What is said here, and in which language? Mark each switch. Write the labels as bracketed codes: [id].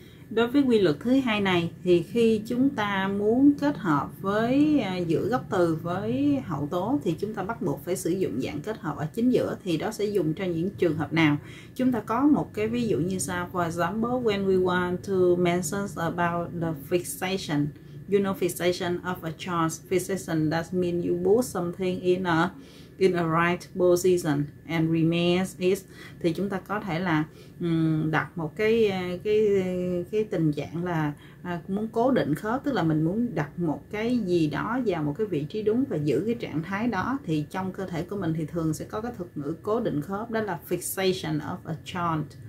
[vi] Đối với quy luật thứ hai này, thì khi chúng ta muốn kết hợp với giữa gốc từ với hậu tố, thì chúng ta bắt buộc phải sử dụng dạng kết hợp ở chính giữa. Thì đó sẽ dùng cho những trường hợp nào? Chúng ta có một cái ví dụ như sau. [en] For example, when we want to mention about the fixation, you know, fixation of a charge, fixation does mean you put something in a right position and remains is. [vi] Thì chúng ta có thể là đặt một cái tình trạng là muốn cố định khớp, tức là mình muốn đặt một cái gì đó vào một cái vị trí đúng và giữ cái trạng thái đó. Thì trong cơ thể của mình thì thường sẽ có cái thuật ngữ cố định khớp, đó là [en] fixation of a joint.